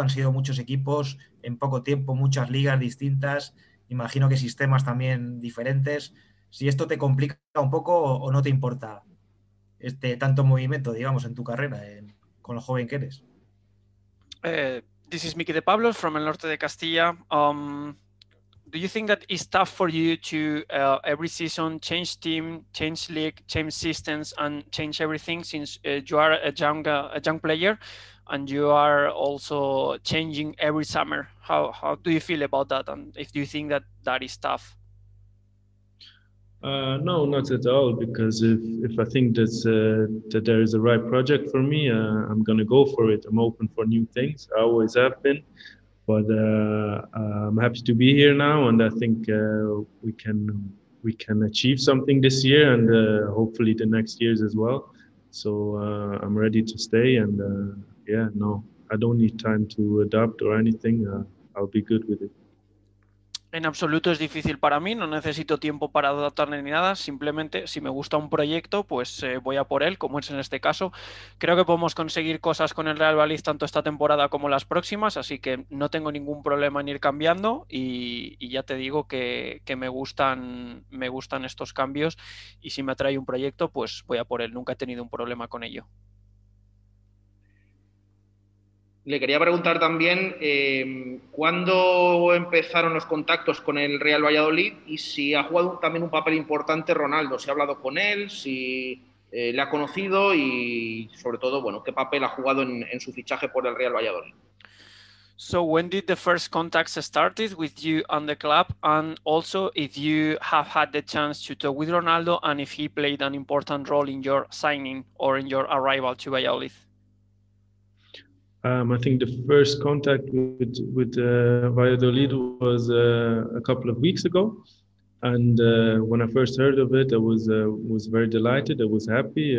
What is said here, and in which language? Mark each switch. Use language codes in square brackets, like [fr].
[es] Han sido muchos equipos en poco tiempo, muchas ligas distintas. Imagino que sistemas también diferentes. Si esto te complica un poco o no te importa este tanto movimiento, digamos, en tu carrera, con lo joven que eres. [en] This is Mickey de Pablos from el Norte de Castilla. Do you think that it's tough for you to every season change team, change league, change systems, and change everything since you are a young player, and you are also changing every summer? How do you feel about that, and if you think that is tough? No, not at all. Because if I think that there is a right project for me, I'm gonna go for it. I'm open for new things. I always have been, but I'm happy to be here now, and I think we can we can achieve something this year and hopefully the next years as well. So I'm ready to stay and no, I don't need time to adapt or anything. I'll be good with it. [es] En absoluto es difícil para mí, no necesito tiempo para adaptarme ni nada, simplemente si me gusta un proyecto, pues voy a por él, como es en este caso. Creo que podemos conseguir cosas con el Real Valladolid tanto esta temporada como las próximas, así que no tengo ningún problema en ir cambiando y ya te digo que me gustan estos cambios y si me atrae un proyecto, pues voy a por él, nunca he tenido un problema con ello. Le quería preguntar también cuándo empezaron los contactos con el Real Valladolid y si ha jugado también un papel importante Ronaldo, si ha hablado con él, si le ha conocido y sobre todo, bueno, qué papel ha jugado en su fichaje por el Real Valladolid. [en] So when did the first contacts started with you and the club, and also if you have had the chance to talk with Ronaldo and if he played an important role in your signing or in your arrival to Valladolid? I think the first contact with Valladolid was a couple of weeks ago, and when I first heard of it, I was very delighted. I was happy.